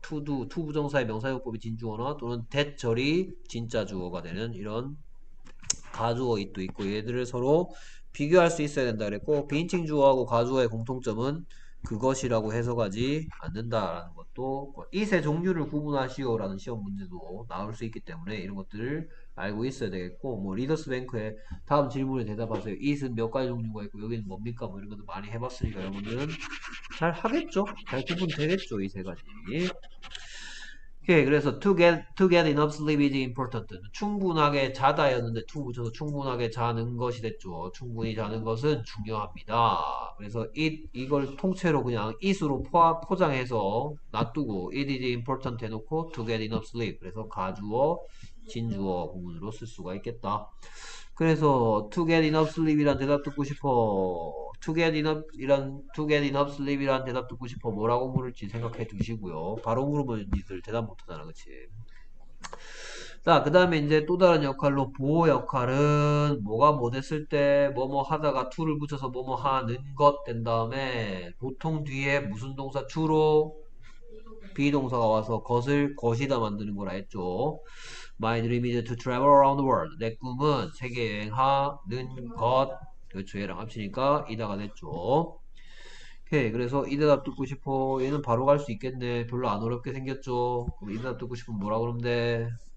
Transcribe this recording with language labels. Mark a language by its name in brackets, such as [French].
[Korean] to do, to 부정사의 명사요법이 진주어나 또는 대절이 진짜 주어가 되는 이런 가주어잇도 있고 얘들을 서로 비교할 수 있어야 된다 그랬고 비인칭 주어하고 가주어의 공통점은 그것이라고 해석하지 않는다라는 것도 잇의 종류를 구분하시오라는 시험 문제도 나올 수 있기 때문에 이런 것들 알고 있어야 되겠고 뭐 리더스 뱅크에 다음 질문에 대답하세요. 잇은 몇 가지 종류가 있고 여기는 뭡니까? 뭐 이런 것도 많이 해봤으니까 여러분들은 잘 하겠죠? 잘 구분되겠죠? 이세 가지. 오케이 그래서 [English] to get enough sleep is important. [Korean] 충분하게 자다였는데 to 붙여서 충분하게 자는 것이 됐죠. 충분히 자는 것은 중요합니다. 그래서 이걸 통째로 그냥 it으로 포장해서 놔두고 [English] it is important [Korean] 해놓고 [English] to get enough sleep. [Korean] 그래서 가주어 진주어 구문으로 쓸 수가 있겠다. 그래서 [English] to get enough sleep [Korean] 이란 대답 듣고 싶어. [English] to get enough sleep [Korean] 이란 대답 듣고 싶어. 뭐라고 물을지 생각해 두시고요. 바로 물으면 니들 대답 못하잖아, 그치? 자, 그 다음에 이제 또 다른 역할로 보호 역할은 뭐가 뭐 됐을 때 뭐뭐 하다가 to를 붙여서 뭐뭐 하는 것된 다음에 보통 뒤에 무슨 동사 to로 비동사가 와서 것이다 만드는 거라 했죠. [English] My dream is to travel around the world. [Korean] 내 꿈은 세계 여행하는 것. 그렇죠. 얘랑 합치니까 이다가 됐죠. 오케이. 그래서 이 대답 듣고 싶어. 얘는 바로 갈수 있겠네. 별로 안 어렵게 생겼죠. 그럼 이 대답 듣고 싶으면 뭐라 그러면 돼?